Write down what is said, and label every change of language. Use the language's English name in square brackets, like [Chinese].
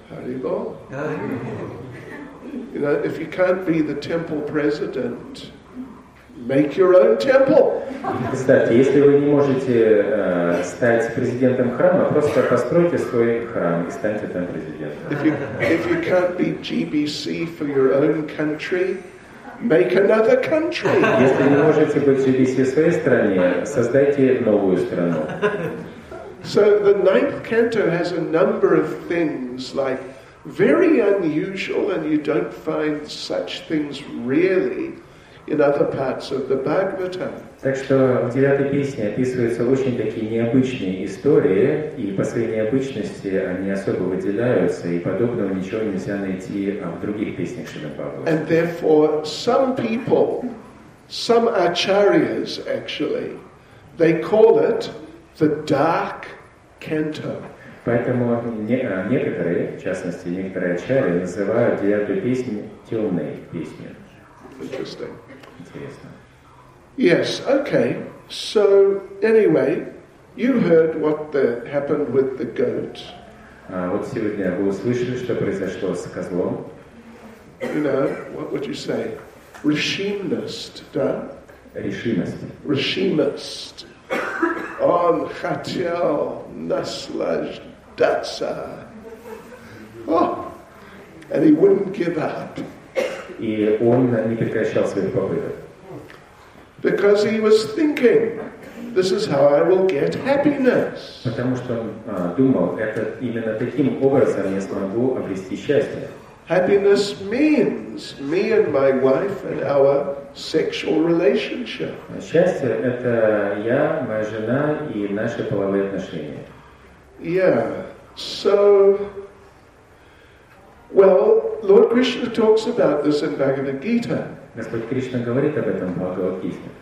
[English] You know, if you can't be the temple president, make your own temple. [Russian] Кстати, если вы не можете стать президентом храма, просто постройте свой храм и станьте там президентом. [English] If you can't be GBC for your own country, make another country. [Russian] Если не можете быть GBC в своей стране, создайте новую страну. [English] So the ninth canto has a number of things like very unusual, and you don't find such things really in other parts of the Bhagavatam. [Russian] Так что в девятой песне описываются очень такие необычные истории, и по своей необычности они особо выделяются, и подобного ничего нельзя найти в других песнях Шримад Бхагаватам. [English] And therefore, some people, some acharyas actually, they call it the dark canto. [Russian] Поэтому некоторые, в частности, некоторые ачарьи называют девятую песню темной песней. [English] Interesting. [Russian] Интересно. [English] Yes, okay. So, anyway, you heard what happened with the goat. [Russian] Вот сегодня вы услышали, что произошло с козлом. [English] You know, what would you say? [Russian] Решимность, да? Решимость. Решимость. Он хотел наслаждаться. [English] That's and he wouldn't give up. [Russian] И он не прекращал своих попыток. [English] Because he was thinking, this is how I will get happiness. [Russian] Потому что он думал, это именно таким образом я смогу обрести счастье. [English] Happiness means me and my wife and our sexual relationship. [Russian] Счастье это я, моя жена и наши половые отношения. [English] Yeah. So, well, Lord Krishna talks about this in Bhagavad Gita. [Russian] Господь Кришна говорит об этом в Бхагавад Гите.